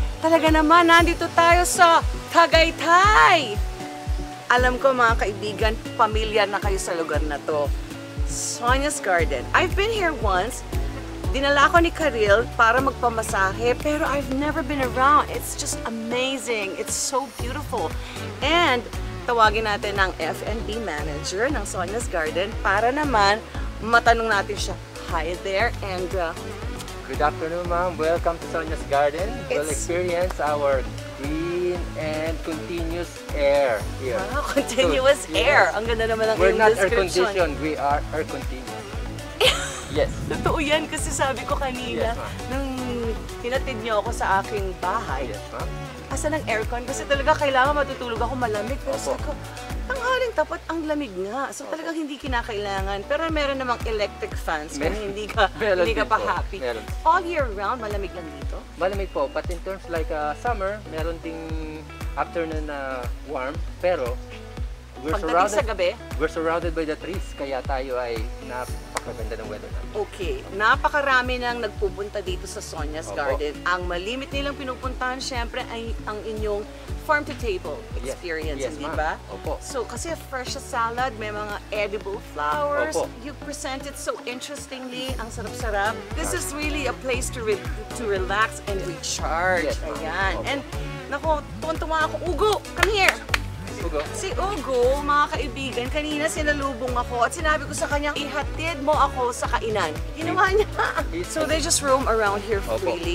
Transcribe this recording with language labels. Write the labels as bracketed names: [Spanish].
[Filipino] Talaga naman, nandito tayo sa Tagaytay! Alam ko mga kaibigan, familiar na kayo sa lugar na to. [English] Sonya's Garden. I've been here once. [Filipino] Dinala ko ni Karylle para magpamasahe, pero [English] I've never been around. It's just amazing. It's so beautiful. [Filipino] And tawagin natin ang F&B manager ng Sonya's Garden para naman matanong natin siya. [English] Hi there, and good afternoon, ma'am. Welcome to Sonya's Garden. You'll experience our green and continuous air here. Wow, continuous so, air. Yes. [Filipino] Ang ganda naman ng [English] description. We're not air-conditioned. We are air-continuous. Yes. [Filipino] Totoo yan kasi sabi ko kanina, yes, nung hinatid niyo ako sa aking bahay, [English] yes, [Filipino] asan ang aircon? Kasi talaga kailangan matutulog ako malamig. Pero sabi ko, tanghaling tapat, ang lamig nga. So talagang hindi kinakailangan. Pero meron namang electric fans kung hindi ka pa happy. [English] All year round, [Filipino] malamig lang dito? Malamig po. [English] But in terms like summer, meron ding afternoon na warm. Pero [Filipino] pagdating sa gabi, [English] we're surrounded by the trees. [Filipino] Kaya tayo ay napakaganda ng weather natin. Okay. Napakarami nang nagpupunta dito sa Sonya's Garden. Ang malimit nilang pinupuntahan, syempre, ay ang inyong farm-to-table experience. [English] Yes, [Filipino] diba? Opo. So, kasi fresh salad, may mga edible flowers. Opo. [English] You present it so interestingly. [Filipino] Ang sarap-sarap. [English] This is really a place to relax and recharge. Yes, [Filipino] ayan. Opo. And, nako, tuwan-tuwa ako. Ugo, [English] come here! [Filipino] Ugo. Si Ugo, mga kaibigan, kanina sinalubong ako at sinabi ko sa kanya, ihatid mo ako sa kainan. Ginawa niya. [English] So they just roam around here freely.